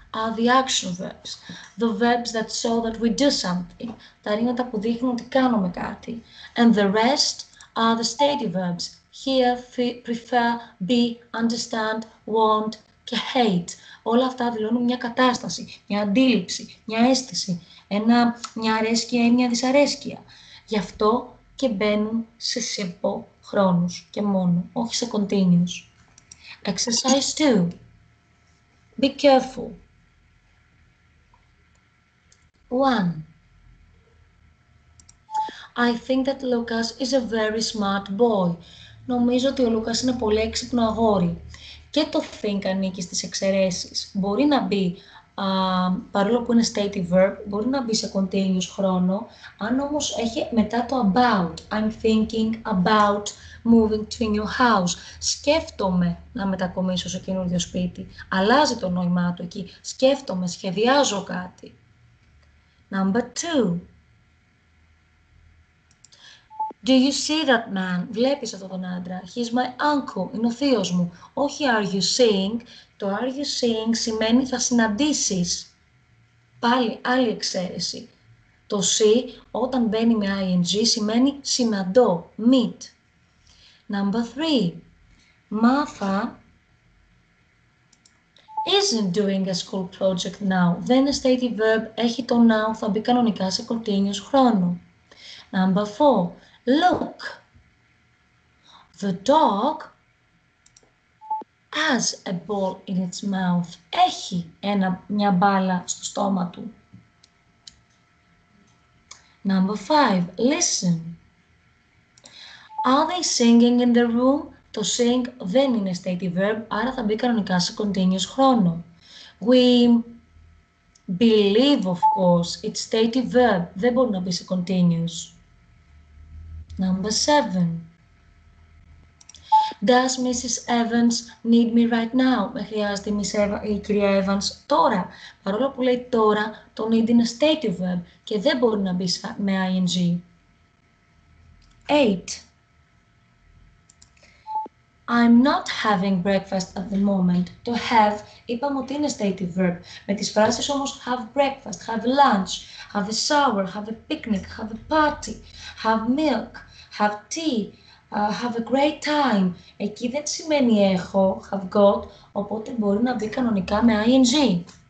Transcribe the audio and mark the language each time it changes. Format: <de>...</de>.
<en>Are the action verbs, the verbs that show that we do something,</en> <el>τα ρήματα που δείχνουν ότι κάνουμε κάτι.</el> <en>And the rest are the stative verbs, hear, prefer, be, understand, want και hate.</en> <el>Όλα αυτά δηλώνουν μια κατάσταση, μια αντίληψη, μια αίσθηση, μια αρέσκεια ή μια δυσαρέσκεια. Γι' αυτό και μπαίνουν σε simple χρόνους και μόνο, όχι σε continuous.</el> <en>Exercise 2. Be careful. 1. I think that Lucas is a very smart boy.</en> <el>Νομίζω ότι ο Λούκας είναι πολύ έξυπνο αγόρι. και το think ανήκει στις εξαιρέσεις. Μπορεί να μπει, παρόλο που είναι stative verb, μπορεί να μπει σε continuous χρόνο, αν όμως έχει μετά το about.</el> <en>I'm thinking about moving to a new house.</en> <el>Σκέφτομαι να μετακομίσω σε καινούριο σπίτι. Αλλάζει το νόημά του εκεί. Σκέφτομαι, σχεδιάζω κάτι.</el> <en>Number two. Do you see that man?</en> <el>Βλέπεις αυτόν τον άντρα.</el> <en>He's my uncle.</en> <el>Είναι ο θείος μου. Όχι are you seeing. Το are you seeing σημαίνει θα συναντήσεις. Πάλι άλλη εξαίρεση. Το see όταν μπαίνει με ing σημαίνει συναντώ, meet.</el> <en>Number three. Μάθα isn't doing a school project now.</en> <el>Δεν είναι stative verb. Έχει το now. Θα μπει κανονικά σε continuous χρόνο.</el> <en>Number four. Look, the dog has a ball in its mouth.</en> <el>Έχει μια μπάλα στο στόμα του.</el> <en>Number five, listen. Are they singing in the room?</en> <el>Το sing δεν είναι stative verb, άρα θα μπει κανονικά σε continuous χρόνο.</el> <en>We believe, of course, it's stative verb.</en> <el>Δεν μπορεί να μπει σε continuous.</el> <en>Number seven. Does Mrs. Evans need me right now?</en> <el>Με χρειάζεται η κυρία Evans τώρα. Παρόλο που λέει τώρα, το need είναι stative verb και δεν μπορεί να μπει με ing.</el> <en>Eight. I'm not having breakfast at the moment. To have,</en> <el>είπαμε ότι είναι</el> <en>stative verb.</en> <el>Με τις φράσεις όμως</el> <en>have breakfast, have lunch, have a shower, have a picnic, have a party, have milk. Have tea, have a great time.</en> <el>Εκεί δεν σημαίνει έχω, have got, οπότε μπορεί να μπει κανονικά με ing.</el>